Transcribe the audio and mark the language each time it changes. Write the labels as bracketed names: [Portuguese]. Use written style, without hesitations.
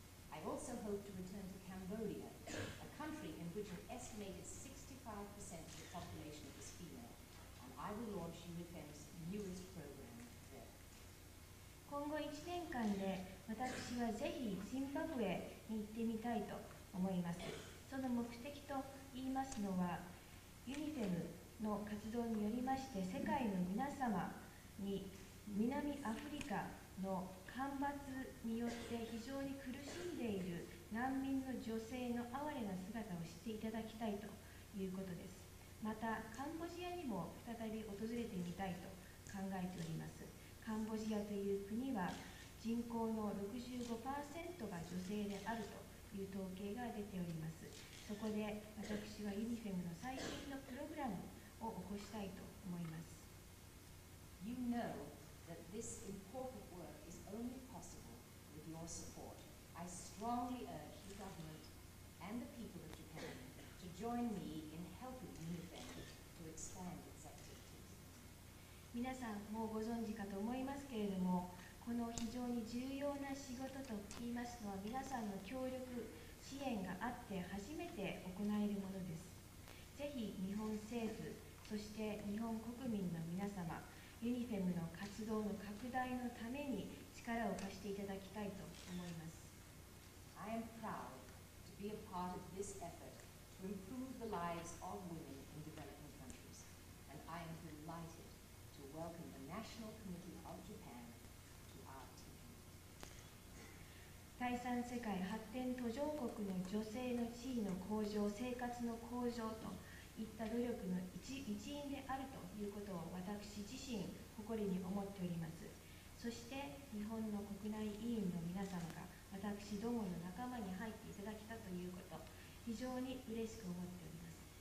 [English] I also hope to return to Cambodia, a country in which an estimated 65% of the population is female. I will launch UNIFEM's newest program there. [Japanese] 今後1年間で私はぜひジンバブエに行ってみたいと思います。その目的といいますのは、ユニフェムの活動によりまして世界の皆様に南アフリカの干ばつによって非常に苦しんでいる難民の女性の哀れな姿を知っていただきたいということです。またカンボジアにも再び訪れてみたいと考えております。カンボジアという国は人口の 65% が女性であるという統計が出ております。そこで私はユニフェムの最新のプログラムを起こしたいと思います。 [English] You know that this important work is only possible with your support. I strongly urge the government and the people of Japan to join me in helping UNIFEM to expand its activities. [Japanese] 皆さんもうご存知かと思いますけれども、この非常に重要な仕事と言いますのは、皆さんの協力、支援があって初めて行えるものです。ぜひ日本政府、そして日本国民の皆様、ユニフェムの活動の拡大のために力を貸していただきたいと思います。 [English] I am proud to be a part of this effort to improve the lives of women in developing countries, and I am delighted to welcome the National Committee of Japan to our team. [Japanese] 第三世界発展途上国の女性の地位の向上、生活の向上といった努力の 一員であるということを私自身誇りに思っております。そして日本の国内委員の皆様が私どもの仲間に入っていただけたということ、非常に嬉しく思っております。